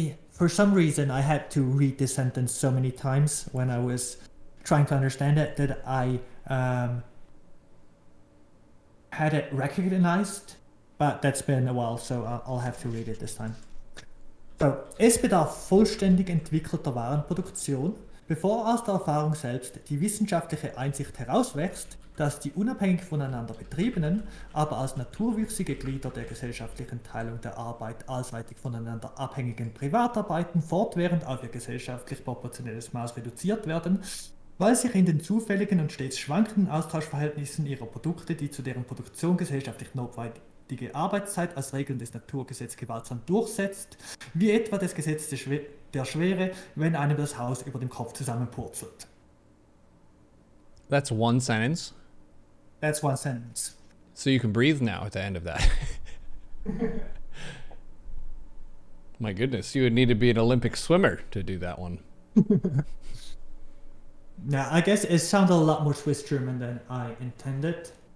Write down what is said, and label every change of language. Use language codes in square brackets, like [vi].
[en] For some reason, I had to read this sentence so many times when I was trying to understand it that I had it recognized, but that's been a while, so I'll have to read it this time. [de] So, es bedarf vollständig entwickelter Warenproduktion, bevor aus der Erfahrung selbst die wissenschaftliche Einsicht herauswächst, dass die unabhängig voneinander betriebenen, aber als naturwüchsige Glieder der gesellschaftlichen Teilung der Arbeit allseitig voneinander abhängigen Privatarbeiten fortwährend auf ihr gesellschaftlich proportionelles Maß reduziert werden, weil sich in den zufälligen und stets schwankenden Austauschverhältnissen ihrer Produkte, die zu deren Produktion gesellschaftlich notwendige Arbeitszeit als Regeln des Naturgesetzes gewaltsam durchsetzt, wie etwa das Gesetz der Schwere, wenn einem das Haus über dem Kopf zusammenpurzelt. [en] That's one sentence. That's one sentence. So you can breathe now at the end of that. My goodness, you would need to be an Olympic swimmer to do that one. Now, I guess it sounded a lot more Swiss German than I intended.